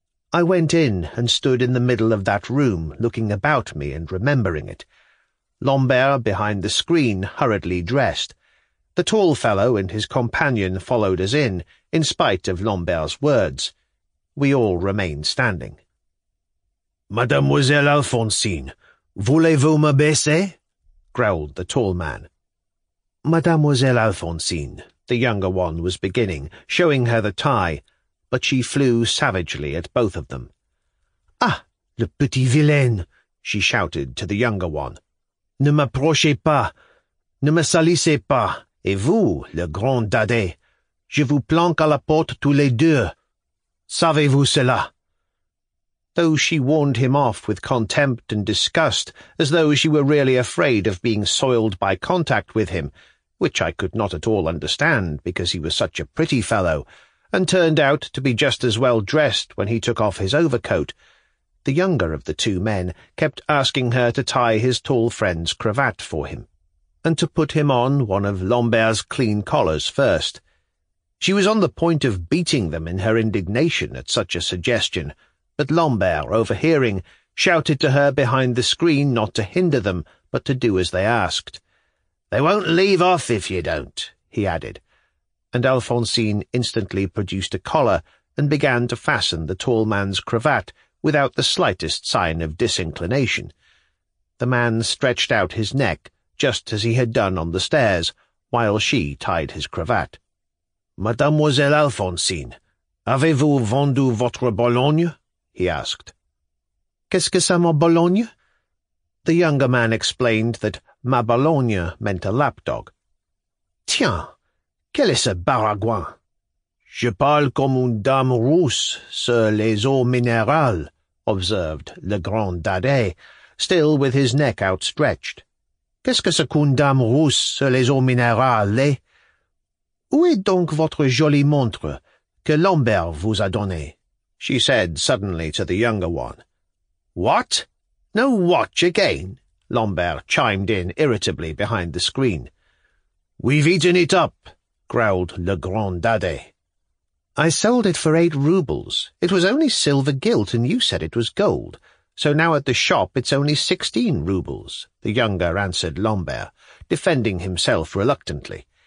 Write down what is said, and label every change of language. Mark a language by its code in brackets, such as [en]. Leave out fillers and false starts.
[en] I went in and stood in the middle of that room, looking about me and remembering it. Lambert, behind the screen, hurriedly dressed. The tall fellow and his companion followed us in spite of Lambert's words. We all remained standing. [fr] "Mademoiselle Alphonsine, voulez-vous me baisser?" [en] growled the tall man. "Mademoiselle Alphonsine," the younger one was beginning, showing her the tie, but she flew savagely at both of them. [fr] "Ah, le petit vilain," [en] she shouted to the younger one. [fr] "Ne m'approchez pas, ne me salissez pas, et vous, le grand dadais, je vous planque à la porte tous les deux. Savez-vous cela?" [en] Though she warned him off with contempt and disgust, as though she were really afraid of being soiled by contact with him, which I could not at all understand because he was such a pretty fellow, and turned out to be just as well dressed when he took off his overcoat, the younger of the two men kept asking her to tie his tall friend's cravat for him, and to put him on one of Lambert's clean collars first. She was on the point of beating them in her indignation at such a suggestion, but Lambert, overhearing, shouted to her behind the screen not to hinder them, but to do as they asked. "They won't leave off if you don't," he added, and Alphonsine instantly produced a collar and began to fasten the tall man's cravat without the slightest sign of disinclination. The man stretched out his neck, just as he had done on the stairs, while she tied his cravat. [fr] "Mademoiselle Alphonsine, Avez-vous vendu votre Bologne? [en] He asked. [fr] Qu'est-ce que ça, ma Bologne? [en] The younger man explained that ma Bologne meant a lapdog. [fr] Tiens, quel est ce baragouin? Je parle comme une dame rousse sur les eaux minérales, [en] observed [fr] le grand dadais, [en] still with his neck outstretched. [fr] Qu'est-ce que c'est qu'une dame rousse sur les eaux minérales, eh? Où est donc votre jolie montre que Lambert vous a donnée? [en] She said suddenly to the younger one. What? No watch again? Lambert chimed in irritably behind the screen. We've eaten it up, growled le grand dadais. I sold it for 8 roubles. It was only silver gilt, and you said it was gold. So now at the shop it's only 16 roubles, the younger answered Lambert, defending himself reluctantly.